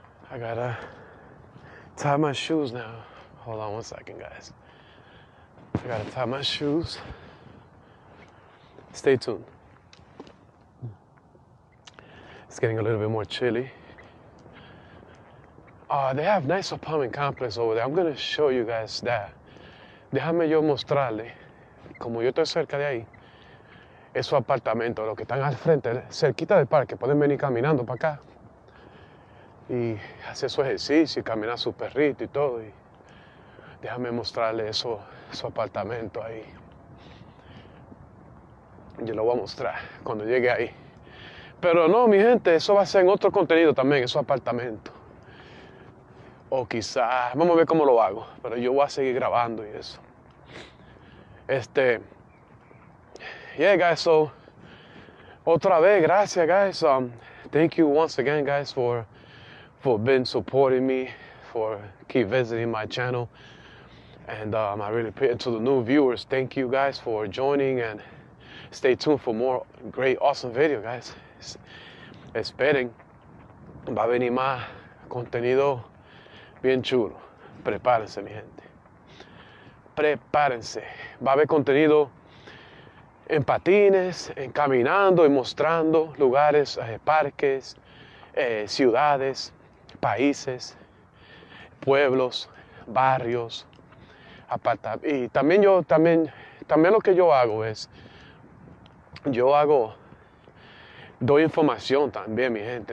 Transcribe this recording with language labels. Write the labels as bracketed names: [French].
[English] I gotta tie my shoes now. Hold on one second, guys. I gotta tie my shoes. Stay tuned. It's getting a little bit more chilly. They have nice apartment complex over there. I'm gonna show you guys that. [Spanish] Déjame yo mostrarle, como yo estoy cerca de ahí, esos apartamentos, los que están al frente, cerquita del parque, pueden venir caminando para acá y hacer su ejercicio y caminar su perrito y todo. Y déjame mostrarle eso apartamento ahí. Yo lo voy a mostrar cuando llegue ahí. Pero no, mi gente, eso va a ser en otro contenido también, esos apartamentos. O quizá, vamos a ver cómo lo hago, pero yo voy a seguir grabando y eso. [English] Yeah, guys, so, [Spanish] otra vez, gracias, [English] guys. Thank you once again, guys, for being supporting me, for keep visiting my channel. And I really appreciate to the new viewers. Thank you, guys, for joining, and stay tuned for more great, awesome video, guys. [Spanish] Esperen, va a venir más contenido bien chulo. Prepárense, mi gente. Prepárense. Va a haber contenido en patines, en caminando y mostrando lugares, parques, ciudades, países, pueblos, barrios, apartamentos. Y también también lo que yo hago es, doy información también, mi gente.